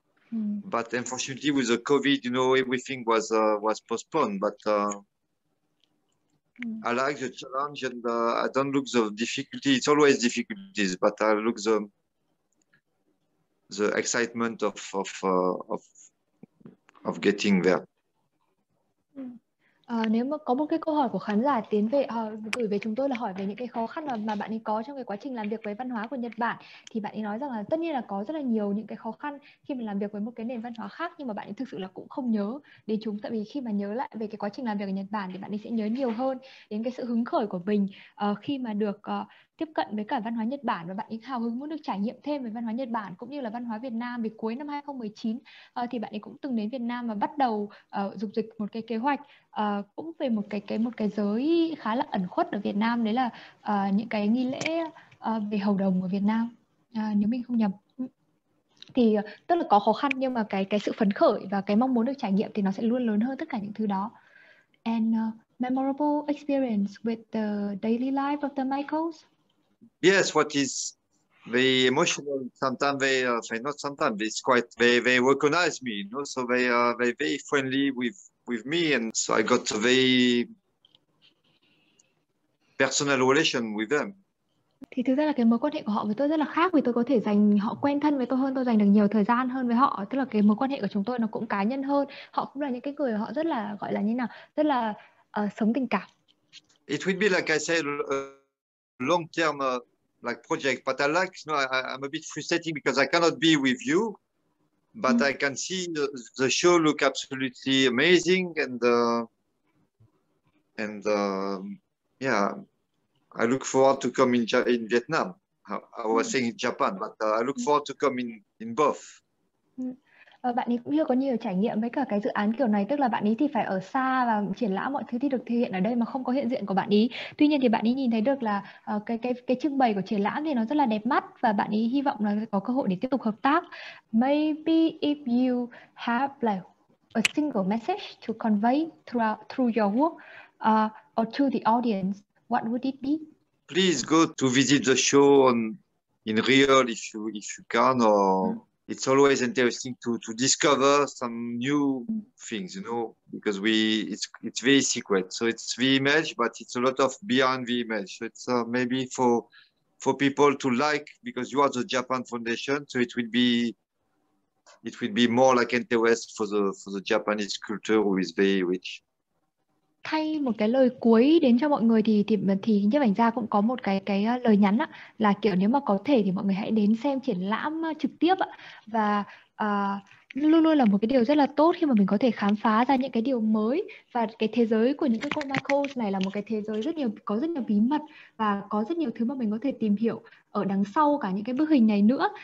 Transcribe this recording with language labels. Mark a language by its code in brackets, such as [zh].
[en] But unfortunately with the COVID, you know, everything was postponed. But I like the challenge, and I don't look the difficulty. It's always difficulties, but I look the excitement of getting there. [vi] Nếu mà có một cái câu hỏi của khán giả tiến về gửi về chúng tôi là hỏi về những cái khó khăn mà bạn ấy có trong cái quá trình làm việc với văn hóa của Nhật Bản, thì bạn ấy nói rằng là tất nhiên là có rất là nhiều những cái khó khăn khi mà làm việc với một cái nền văn hóa khác, nhưng mà bạn ấy thực sự là cũng không nhớ đến chúng, tại vì khi mà nhớ lại về cái quá trình làm việc ở Nhật Bản thì bạn ấy sẽ nhớ nhiều hơn đến cái sự hứng khởi của mình khi mà được tiếp cận với cả văn hóa Nhật Bản, và bạn ấy hào hứng muốn được trải nghiệm thêm về văn hóa Nhật Bản cũng như là văn hóa Việt Nam. Vì cuối năm 2019 thì bạn ấy cũng từng đến Việt Nam và bắt đầu dục dịch một cái kế hoạch cũng về một cái giới khá là ẩn khuất ở Việt Nam, đấy là những cái nghi lễ về hầu đồng ở Việt Nam, nếu mình không nhầm. Thì tức là có khó khăn, nhưng mà cái sự phấn khởi và cái mong muốn được trải nghiệm thì nó sẽ luôn lớn hơn tất cả những thứ đó. [en] And memorable experience with the daily life of the Michaels. Yes, what is very emotional. Sometimes it's quite they recognize me, you know, so they very friendly with me, and so I got a very personal relation with them. [vi] Thì thực ra là cái mối quan hệ của họ với tôi rất là khác, vì tôi có thể dành họ quen thân với tôi hơn, tôi dành được nhiều thời gian hơn với họ, tức là cái mối quan hệ của chúng tôi nó cũng cá nhân hơn. Họ cũng là những cái người họ rất là gọi là như nào, rất là sống tình cảm. [en] It would be like I said, long-term like project, but I like, you know, I'm a bit frustrating because I cannot be with you, but I can see the show look absolutely amazing, and yeah, I look forward to come in Vietnam. I was saying in Japan, but I look forward to come in both. [vi] Bạn ấy cũng chưa có nhiều trải nghiệm với cả cái dự án kiểu này, tức là bạn ấy thì phải ở xa và triển lãm mọi thứ thì được thực hiện ở đây mà không có hiện diện của bạn ấy. Tuy nhiên thì bạn ấy nhìn thấy được là cái trưng bày của triển lãm thì nó rất là đẹp mắt, và bạn ấy hy vọng là có cơ hội để tiếp tục hợp tác. [en] Maybe if you have like a single message to convey through your work or to the audience, what would it be? Please go to visit the show in real if you can, or it's always interesting to discover some new things, you know, because it's very secret. So it's the image, but it's a lot of behind the image. So it's maybe for people to like, because you are the Japan Foundation, so it will be more like interest for the Japanese culture, who is very rich. [vi] Thay một cái lời cuối đến cho mọi người thì nhiếp ảnh gia cũng có một cái lời nhắn á, là kiểu nếu mà có thể thì mọi người hãy đến xem triển lãm trực tiếp ạ. Và luôn luôn là một cái điều rất là tốt khi mà mình có thể khám phá ra những cái điều mới, và cái thế giới của những cái cô Michaels này là một cái thế giới có rất nhiều bí mật, và có rất nhiều thứ mà mình có thể tìm hiểu ở đằng sau cả những cái bức hình này nữa.